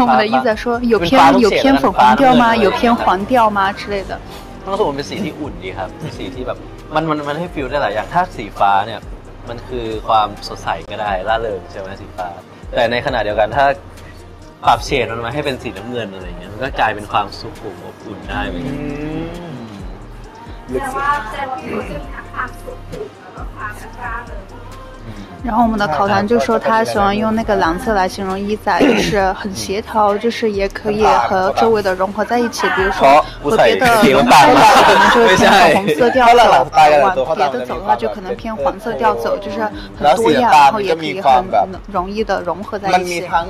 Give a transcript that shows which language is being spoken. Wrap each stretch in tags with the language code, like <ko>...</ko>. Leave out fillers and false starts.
<zh>我们的一仔说有偏粉红调吗有偏黄调吗之类的当时我们的色是温的</zh> <th>ครับ色是แบบมันให้ฟิลได้หลายอย่างถ้าสีฟ้าเนี่ยมันคือความสดใสก็ได้ล่าเริงใช่มั้ยสีฟ้าแต่ในขณะเดียวกันถ้าปรับเฉดมันมาให้เป็นสีน้ำเงินอะไรเงี้ยมันก็กลายเป็นความสุขุมอบอุ่นได้ไ หมแต่ว่าจะมีความสุขุมแล้วก็ความกล้าเลย</th> <zh>然后我们的考团就说他喜欢用那个蓝色来形容衣仔，就是很协调，就是也可以和周围的融合在一起，比如说和别的颜色可能就偏红色调走，往别的走的话就可能偏黄色调走，就是很多样，然后也可以很容易的融合在一起。</zh>